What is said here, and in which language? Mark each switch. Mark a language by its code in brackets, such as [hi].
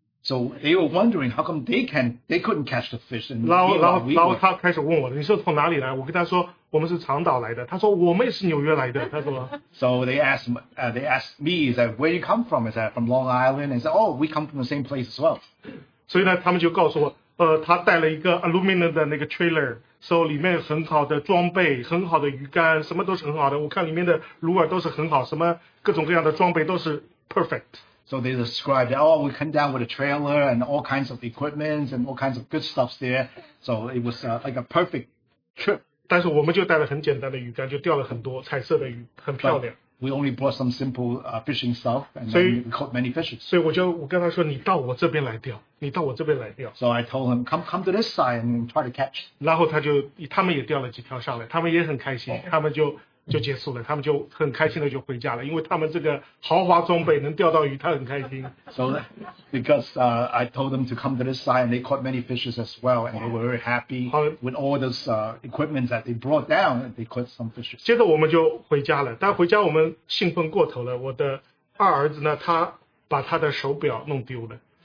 [en] ？So they were wondering how come they couldn't catch the fish. [zh] 然后他开始问我，你是从哪里来？我跟他说，我们是长岛来的。他说，我们也是纽约来的。他说。 [en] So they asked me, is that where you come from? Is that from Long Island? And said, oh, we come from the same place as well. [zh] 所以呢，他们就告诉我。他带了一个 aluminum 的那个 trailer， 所以里面很好的装备，很好的鱼竿，什么都是很好的。我看里面的鲁饵都是很好，什么各种各样的装备都是 perfect。 [en] So they described, oh, we come down with a trailer and all kinds of equipment and all kinds of good stuffs there. So it was like a perfect trip. [zh] 但是我们就带了很简单的鱼竿，就钓了很多彩色的鱼，很漂亮。 [en] But we only brought some simple fishing stuff and then we caught many fishes. [zh] 所以我跟他说，你到我这边来钓。你到我这边来钓。 [en] So I told him, come to this side and try to catch. [zh] 然后他们也钓了几条上来，他们也很开心，他们就结束了，他们就很开心的就回家了，因为他们这个豪华装备能钓到鱼，他很开心。 [en] So because I told them to come to this side and they caught many fishes as well and they were very happy with all this equipment that they brought down and they caught some fishes. [zh] 接着我们就回家了，但回家我们兴奋过头了，我的二儿子呢，他把他的手表弄丢了。